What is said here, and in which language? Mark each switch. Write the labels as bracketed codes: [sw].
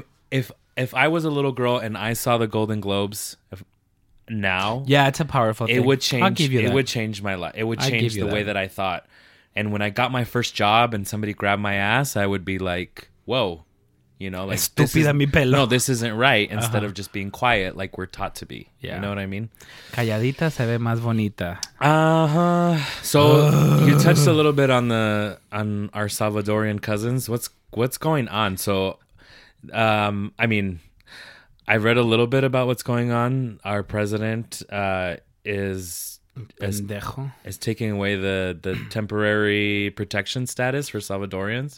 [en] if I was a little girl and I saw the Golden Globes now. Yeah, it's a powerful thing. It would change my life. It would change the way that I thought. And when I got my first job and somebody grabbed my ass, I would be like, whoa. You know, like, [es] estúpida mi pelo. [en] No, this isn't right. Instead of just being quiet, like we're taught to be. Yeah. You know what I mean? [es] Calladita se ve más bonita. [en] So you touched a little bit on our Salvadorian cousins. What's going on? So, I mean, I read a little bit about what's going on. Our president is taking away the temporary protection status for Salvadorians.